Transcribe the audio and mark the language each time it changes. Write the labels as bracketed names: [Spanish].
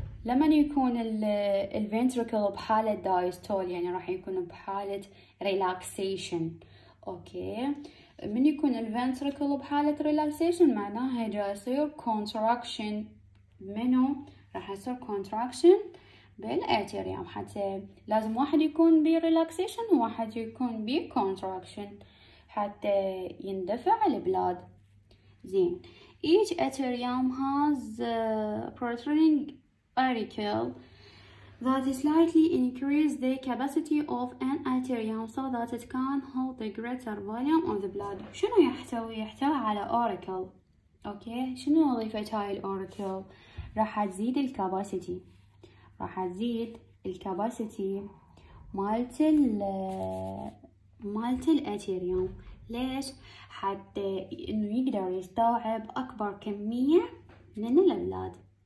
[Arabic] لما يكون الفنتركول بحالة دايستول يعني راح يكون بحالة ريلاكسيشن، أوكي؟ من يكون الفنتركول بحالة ريلاكسيشن معناها جا يصير كونتراكشن. منو راح يصير كونتراكشن؟ بالأتريوم. حتى لازم واحد يكون بريلاكسيشن وواحد يكون بكونتراكشن حتى يندفع البلاد. [English] زين، each atrium has protruding auricle that slightly increases the capacity of an atrium so that it can hold a greater volume of the blood. [Arabic] شنو يحتوي؟ يحتوي على auricle. اوكي، شنو وظيفة هاي الاوريكل؟ راح تزيد الكاباسيتي، راح تزيد الكاباسيتي مالت الاتريوم. ليش؟ حتى انه يقدر يستوعب اكبر كميه من الابلاد.